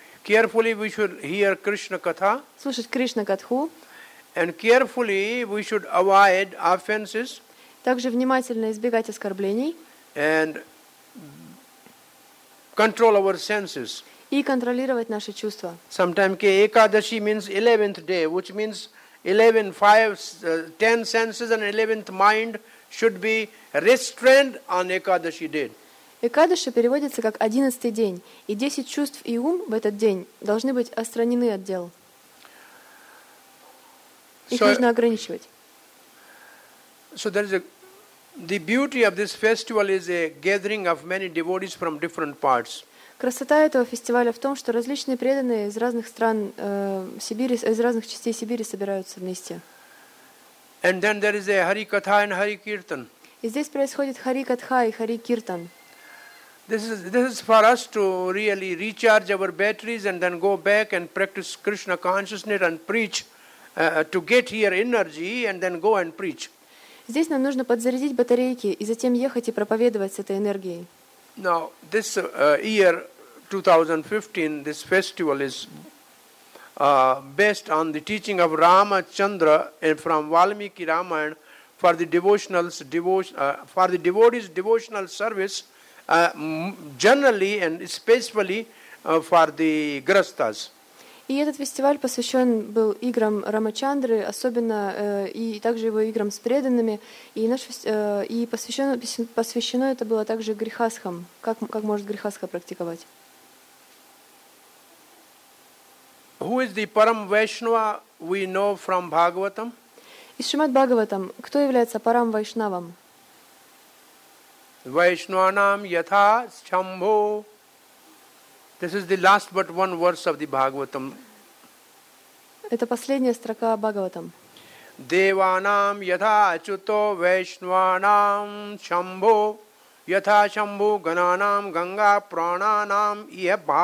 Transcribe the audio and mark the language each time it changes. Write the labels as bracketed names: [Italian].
[English] Carefully we should hear Krishna katha. [Russian] Слушать Кришна катху. [English] And carefully we should avoid offenses. [Russian] Также внимательно избегать оскорблений. [English] And control our senses. [Russian] И контролировать наши чувства. [English] Sometimes ke ekadashi means 11th day, which means 11, 5, 10 senses and 11th mind should be restrained on ekadashi day. [Russian] Экадаши переводится как 11th день, и 10 чувств и ум в этот день должны быть отстранены от дел. Их нужно ограничивать. [English] So there is the beauty of this festival is a gathering of many devotees from different parts. [Russian] Красота этого фестиваля в том, что различные преданные из разных стран Сибири, из разных частей Сибири собираются вместе. [English] And then there is a Hari Katha and Hari Kirtan. [Russian] И здесь происходит Хари Катха и Хари Киртан. [English] This is for us to really recharge our batteries and then go back and practice Krishna consciousness and preach to get here energy and then go and preach. [Russian] Здесь нам нужно подзарядить батарейки и затем ехать и проповедовать с этой энергией. [English] Now, this year, 2015, this festival is based on the teaching of Ramachandra and from Valmiki Ramayana for the devotionals, for the devotees' devotional service, generally and especially for the grastas. [Russian] И этот фестиваль посвящен был играм Рамачандры, особенно и также его играм с преданными, и наш и посвящено это было также грихасхам, как может грихасха практиковать? [English] Who is the Param Vaishnava we know from Bhagavatam? [Russian] Из Шримад Бхагаватам кто является Парам Вайшнавом? [Sanskrit] Вайшнванам ятха шамбо. [English] This is the last but one verse of the Bhagavatam. [Russian] Это последняя строка Бхагаватам. [Sanskrit] Деванам ятха чуто вайшнванам шамбо ятха шамбо гананам ганга пранаанам ия